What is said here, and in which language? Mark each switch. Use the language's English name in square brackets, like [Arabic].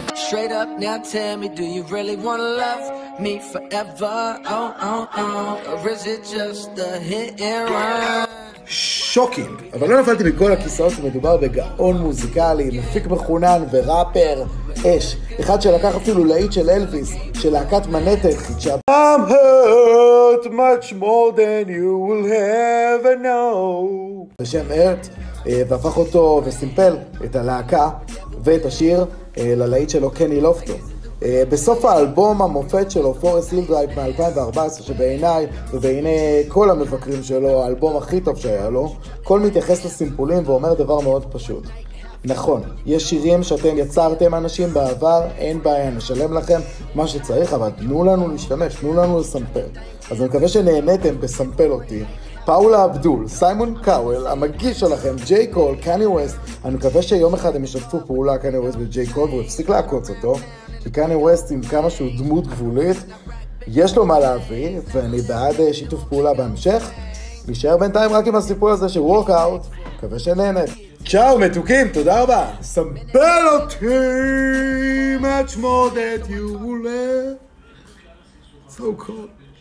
[English] Straight up, now tell me, do you really want to love me forever? Oh, oh, oh, or is it just a hit and run? [Hebrew] שוקינג, אבל לא נפלתי בכל הכיסאות, שמדובר בגאון מוזיקלי, מפיק מחונן וראפר אש, אחד שלקח אפילו להיט של אלוויס, של להקת מנהטן, חידשה. [English] I'm hurt much more than you will ever know. [Hebrew] בשם הרט, והפך אותו וסימפל את הלהקה ואת השיר ללהיט שלו קני לופטו. בסוף האלבום המופת שלו, פורסט הילדרייב מ-2014, שבעיניי ובעיני כל המבקרים שלו, האלבום הכי טוב שהיה לו, קול מתייחס לסימפולים ואומר דבר מאוד פשוט. נכון, יש שירים שאתם יצרתם אנשים בעבר, אין בעיה, נשלם לכם מה שצריך, אבל תנו לנו להשתמש, תנו לנו לסמפל. אז אני מקווה שנהניתם בסמפל אותי. פאולה אבדול, סיימון קאוול, המגיש שלכם, ג'יי קול, קניה ווסט, אני מקווה שיום אחד הם ישתפו פעולה קניה ווסט וג'יי קול, והוא יפסיק לעקוץ אותו, כי קניה ווסט עם כמה שהוא דמות גבולית, יש לו מה להביא, ואני בעד שיתוף פעולה בהמשך, נשאר בינתיים רק עם הסיפור הזה של וורקאוט, מקווה שנהנת. צ'או, מתוקים, תודה רבה. סמבל אותי, much more that you will let, so cool.